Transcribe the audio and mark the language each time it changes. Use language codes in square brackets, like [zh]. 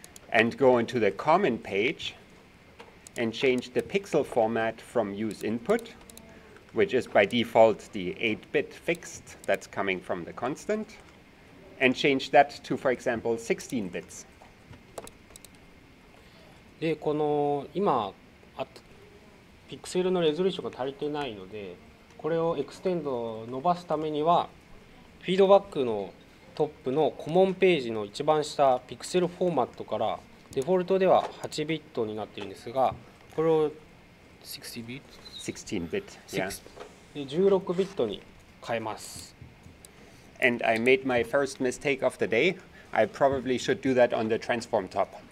[en] And go into the comment page and change the pixel format from use input, which is by default the 8-bit fixed that's coming from the constant, and change that to, for example, 16 bits. [ja] で、この今、ピクセルのレゾリューションが足りてないので、これをエクステンド伸ばすためには、フィードバックのトップのコモンページの一番下、ピクセルフォーマットから、デフォルトでは8ビットになっているんですが、これを16ビットに変えます。 [en] And I made my first mistake of the day. I probably should do that on the transform top.